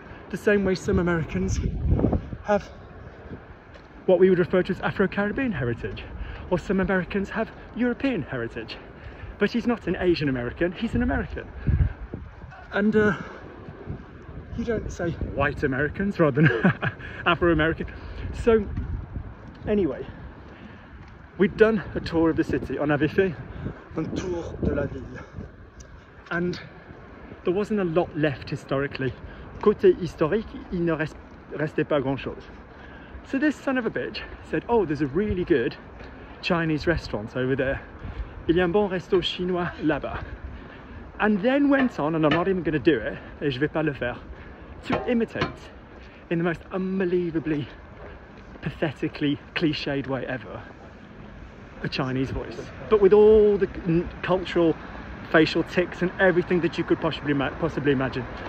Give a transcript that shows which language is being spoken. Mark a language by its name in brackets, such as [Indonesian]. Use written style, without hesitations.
[English] The same way some Americans have what we would refer to as Afro-Caribbean heritage, or some Americans have European heritage. But he's not an Asian American, he's an American. And you don't say white Americans rather than Afro-American. So anyway, we'd done a tour of the city. [French] On avait fait un tour de la ville. [English] And there wasn't a lot left historically. [French] Côté historique, il ne restait pas grand chose. [English] So this son of a bitch said, oh, there's a really good Chinese restaurant over there. [French] Il y a un bon resto chinois là-bas. [English] And then went on, and I'm not even gonna do it, [French] et je vais pas le faire, [English] to imitate in the most unbelievably, pathetically cliched way ever, a Chinese voice. But with all the cultural facial tics and everything that you could possibly imagine.